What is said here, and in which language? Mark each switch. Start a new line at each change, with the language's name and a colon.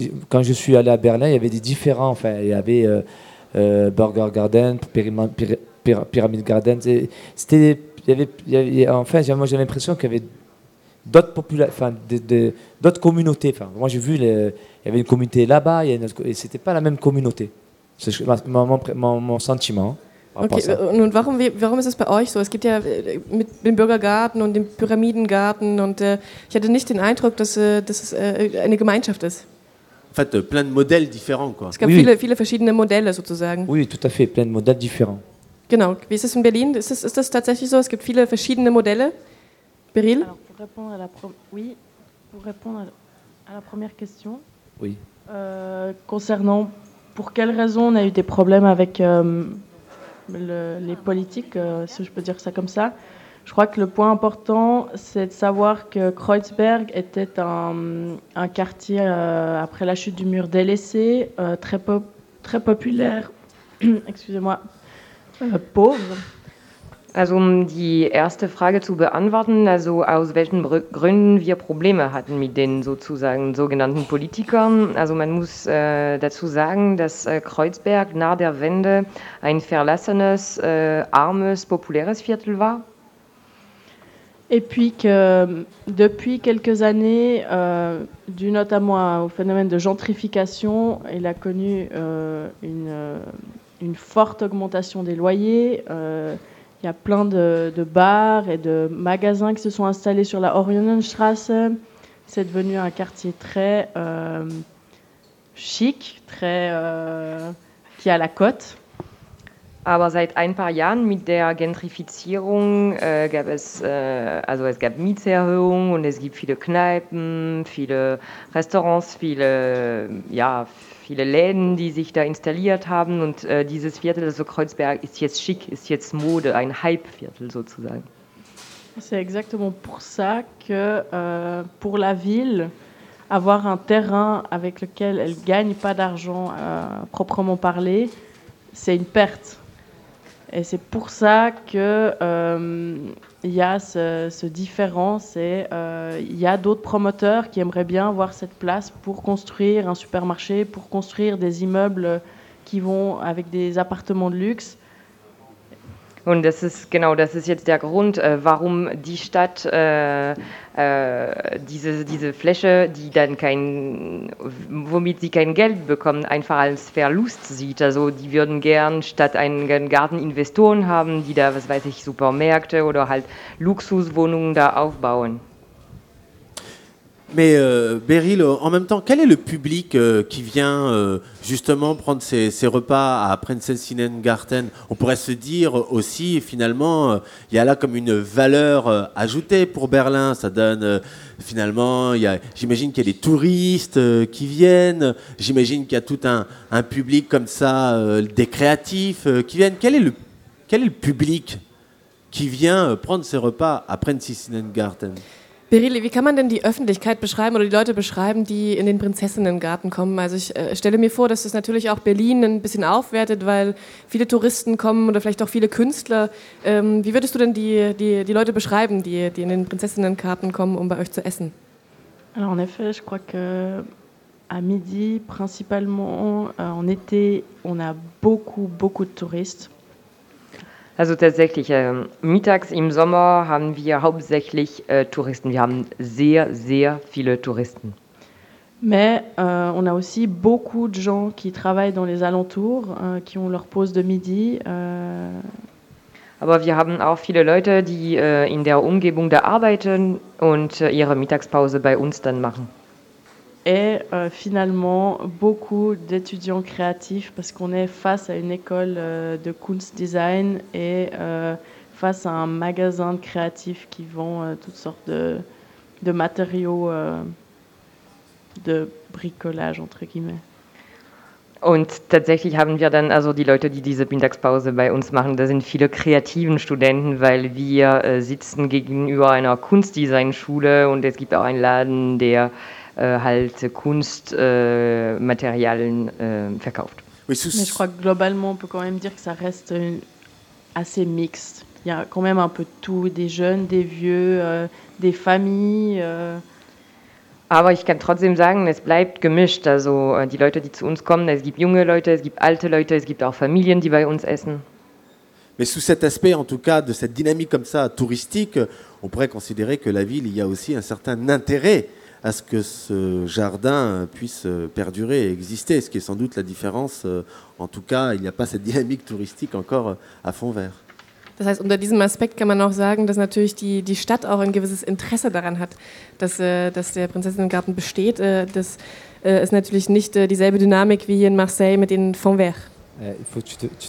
French: Quand je suis allé à Berlin, il y avait des différents. Enfin, il y avait Burger Garden, Pyramid Garden. Moi, j'ai l'impression qu'il y avait d'autres d'autres communautés. Enfin, moi, j'ai vu il y avait une communauté là-bas, et c'était pas la même communauté. C'est mon sentiment.
German: Okay, und warum ist es bei euch so? Es gibt ja mit dem Bürgergarten und dem Pyramidengarten und ich hatte nicht den Eindruck, dass es eine Gemeinschaft ist.
French: En fait, plein de modèles différents, quoi.
German: Es gab viele verschiedene Modelle sozusagen.
French: Oui, tout à fait, plein de modèles différents.
German: Genau, wie ist es in Berlin? Ist das tatsächlich so? Es gibt viele verschiedene Modelle? Beryl?
French: Alors, pour répondre à la première question. Oui. Concernant pour quelles raisons on a eu des problèmes avec les politiques, si je peux dire ça comme ça. Je crois que le point important, c'est de savoir que Kreuzberg était un quartier, après la chute du mur, délaissé, très populaire, excusez-moi, pauvre.
German: Also um die erste Frage zu beantworten, also aus welchen Gründen wir Probleme hatten mit den sozusagen sogenannten Politikern. Also man muss dazu sagen, dass Kreuzberg nach der Wende ein verlassenes, armes, populäres Viertel war.
French: Et puis que depuis quelques années, dû notamment au phénomène de gentrification, il a connu une forte augmentation des loyers. Il y a plein de bars et de magasins qui se sont installés sur la Oranienstrasse. C'est devenu un quartier très chic, très qui a la côte.
German: Aber seit ein paar Jahren mit der Gentrifizierung gab es also es gab Mieterhöhungen und es gibt viele Kneipen, viele Restaurants, viele ja viele Läden, die sich da installiert haben und dieses Viertel, also Kreuzberg, ist jetzt schick, ist jetzt Mode, ein Hype-Viertel sozusagen.
French: C'est exactement pour ça que pour la ville, avoir un terrain avec lequel elle gagne pas d'argent proprement parler, c'est une perte. Et c'est pour ça que il y a ce différence et il y a d'autres promoteurs qui aimeraient bien voir cette place pour construire un supermarché, pour construire des immeubles qui vont avec des appartements de luxe.
German: Und das ist genau, das ist jetzt der Grund, warum die Stadt diese Fläche, die dann kein, womit sie kein Geld bekommen, einfach als Verlust sieht. Also die würden gern statt einen Garten Investoren haben, die da, was weiß ich, Supermärkte oder halt Luxuswohnungen da aufbauen.
French: Mais Beryl, en même temps, quel est le public qui vient justement prendre ses repas à Prinsessinnengarten? On pourrait se dire aussi, finalement, il y a là comme une valeur ajoutée pour Berlin. Ça donne, finalement, j'imagine qu'il y a des touristes qui viennent. J'imagine qu'il y a tout un public comme ça, des créatifs qui viennent. Quel est le public qui vient prendre ses repas à Prinsessinnengarten?
German: Beryl, wie kann man denn die Öffentlichkeit beschreiben oder die Leute beschreiben, die in den Prinzessinnengarten kommen? Also ich stelle mir vor, dass das natürlich auch Berlin ein bisschen aufwertet, weil viele Touristen kommen oder vielleicht auch viele Künstler. Wie würdest du denn die Leute beschreiben, die in den Prinzessinnengarten kommen, um bei euch zu essen?
French: Alors en effet, je crois que à midi, principalement en été, on a beaucoup, beaucoup de touristes.
German: Also tatsächlich, mittags im Sommer haben wir hauptsächlich Touristen. Wir haben sehr, sehr viele Touristen.
French: Mais on a aussi beaucoup de gens qui travaillent dans les alentours, qui ont leur pause de midi.
German: Aber wir haben auch viele Leute, die in der Umgebung da arbeiten und ihre Mittagspause bei uns dann machen.
French: Et finalement, beaucoup d'étudiants créatifs, parce qu'on est face à une école de Kunstdesign et face à un magasin de créatifs qui vend toutes sortes de matériaux de bricolage, entre guillemets.
German: Und tatsächlich haben wir dann also die Leute, die diese Mittagspause bei uns machen, da sind viele kreativen Studenten, weil wir sitzen gegenüber einer Kunstdesign-Schule und es gibt auch einen Laden, der halt Kunstmaterialien verkauft.
French: Mais je crois que globalement, on peut quand même dire que ça reste assez mixte. Il y a quand même un peu tout, des jeunes, des vieux, des familles.
German: Aber ich kann trotzdem sagen, es bleibt gemischt. Also die Leute, die zu uns kommen, es gibt junge Leute, es gibt alte Leute, es gibt auch Familien, die bei uns essen.
French: Mais sous cet aspect, en tout cas, de cette dynamique comme ça, touristique, on pourrait considérer que la ville, il y a aussi un certain intérêt à ce que ce jardin puisse perdurer et exister, ce qui est sans doute la différence. En tout cas, il n'y a pas cette dynamique touristique encore à fond vert.
German: Das heißt, unter diesem Aspekt kann man auch sagen, dass natürlich die Stadt auch ein gewisses Interesse daran hat, dass der Prinzessinnengarten besteht. Das ist natürlich nicht dieselbe Dynamik wie hier in Marseille mit den fonds verts.